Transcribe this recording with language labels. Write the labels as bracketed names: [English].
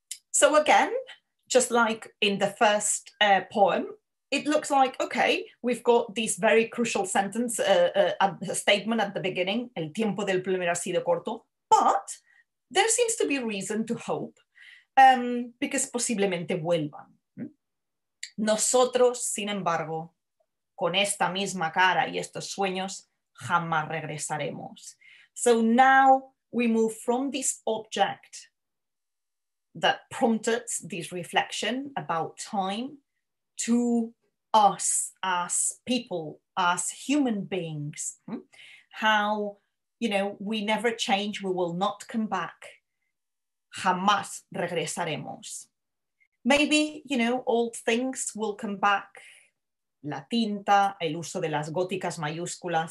[English] So again, just like in the first poem, it looks like, okay, we've got this very crucial sentence, a statement at the beginning, [Spanish] el tiempo del plumero ha sido corto, [English] but there seems to be reason to hope, because [Spanish] posiblemente vuelvan. Nosotros, sin embargo, con esta misma cara y estos sueños, jamás regresaremos. [English] So now we move from this object that prompted this reflection about time to us as people, as human beings. How, you know, we never change, we will not come back. [Spanish] Jamás regresaremos. [English] Maybe, you know, old things will come back. [Spanish] La tinta, el uso de las góticas mayúsculas.